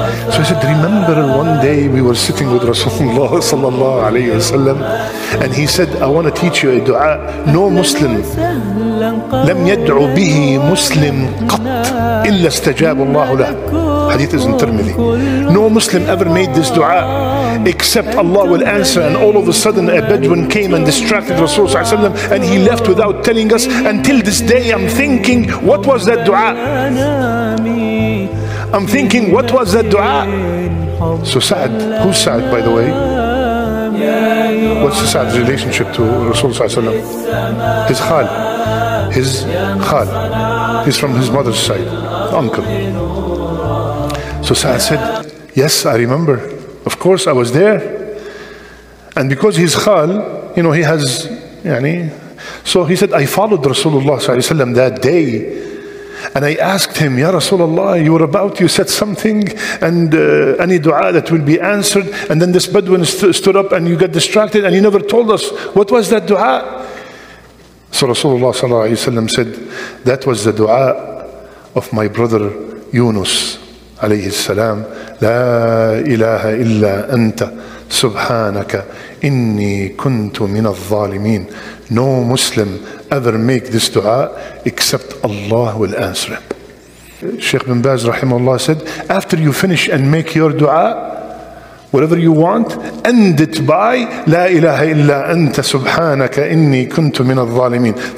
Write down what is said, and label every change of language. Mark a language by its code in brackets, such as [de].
[en] So he said, remember one day we were sitting with Rasulullah sallallahu alayhi wa sallam and he said, I want to teach you a dua. No Muslim [ar] لم يدعو به مسلم قط إلا استجاب الله له. [en] Hadith is in Tirmidhi. No Muslim ever made this dua except Allah will answer. And all of a sudden a Bedouin came and distracted Rasulullah ﷺ and he left without telling us. Until this day I'm thinking, what was that dua? I'm thinking, what was that dua? So Sa'd, who's Sa'd by the way? What's Sa'd's relationship to Rasulullah ﷺ? His khal. His khal. He's from his mother's side, uncle. So Sa'd said, yes, I remember. Of course, I was there. And because he's khal, you know, he has, yani. So he said, I followed Rasulullah that day. And I asked him, Ya Rasulullah, you were about, you said something, and any dua that will be answered. And then this Bedouin stood up and you got distracted and you never told us, what was that dua? So Rasulullah said, that was the dua of my brother Yunus. [ar] عليه السلام لا إله إلا أنت سبحانك إني كنت من الظالمين. [en] No Muslim ever make this dua except Allah will answer him. Sheikh bin Baz [ar] رحمه الله [en] said, after you finish and make your dua, whatever you want, end it by [ar] لا إله إلا أنت سبحانك إني كنت من الظالمين.